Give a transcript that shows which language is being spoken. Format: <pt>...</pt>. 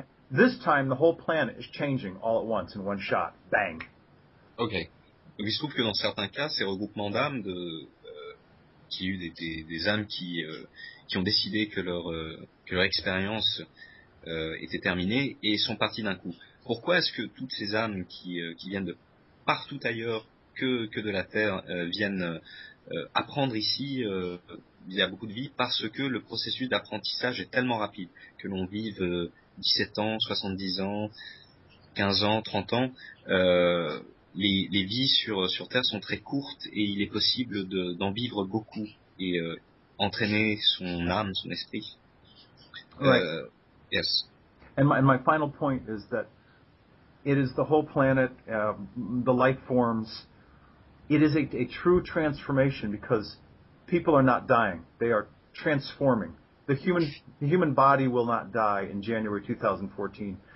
<en>This time, the whole planet is changing all at once in one shot. Bang. Okay.</en> <fr>Donc, il se trouve que dans certains cas, ces regroupements d'âmes, qui ont eu des âmes qui ont décidé que leur expérience était terminée et sont parties d'un coup. Pourquoi est-ce que toutes ces âmes qui viennent de partout ailleurs que de la Terre viennent apprendre ici il y a beaucoup de vie? Parce que le processus d'apprentissage est tellement rapide, que l'on vive 17 ans, 70 ans, 15 ans, 30 ans, les vies sur Terre sont très courtes et il est possible d'en vivre beaucoup et entraîner son âme, son esprit.</fr> <en>Right. Yes. And my final point is that it is the whole planet, the life forms, it is a true transformation because people are not dying, they are transforming. The human body will not die in January 2014.</en>